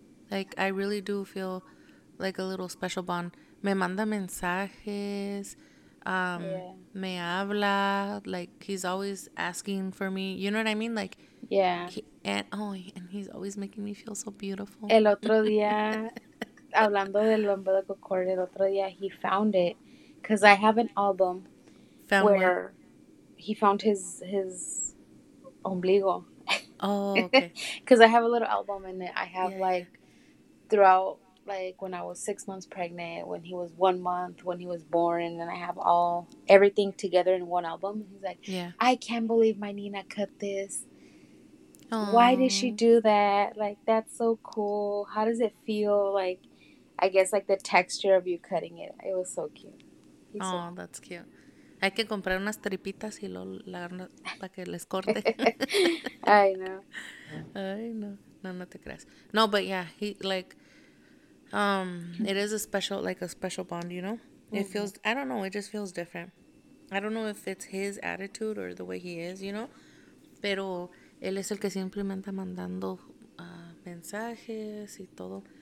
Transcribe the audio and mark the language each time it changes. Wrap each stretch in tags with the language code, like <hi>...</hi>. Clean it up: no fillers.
<en>Like, I really do feel... like a little special bond.</en> <es>Me manda mensajes. Me habla.</es> <en>Like, he's always asking for me. You know what I mean? Like, and he's always making me feel so beautiful.</en> <es>El otro día, hablando del</es> <en>umbilical cord,</en> <es>el otro día</es> <en>he found it. Because I have an album he found his ombligo. Oh, okay. Because I have a little album in it. I have, throughout... like when I was 6 months pregnant, when he was 1 month, when he was born, and then I have all everything together in one album. He's like, I can't believe my Nina cut this. Aww. Why did she do that? Like, that's so cool. How does it feel? Like, I guess like the texture of you cutting it. It was so cute. That's cute.</en> <es>Hay que comprar unas tripitas y para que les corte.</es> <en>I know.</en> <es>No te creas.</es> <en>No, but it is a special, like a special bond, you know, it feels, I don't know, it just feels different. I don't know if it's his attitude or the way he is, you know,</en> <es>pero él es el que simplemente mandando mensajes y todo.</es>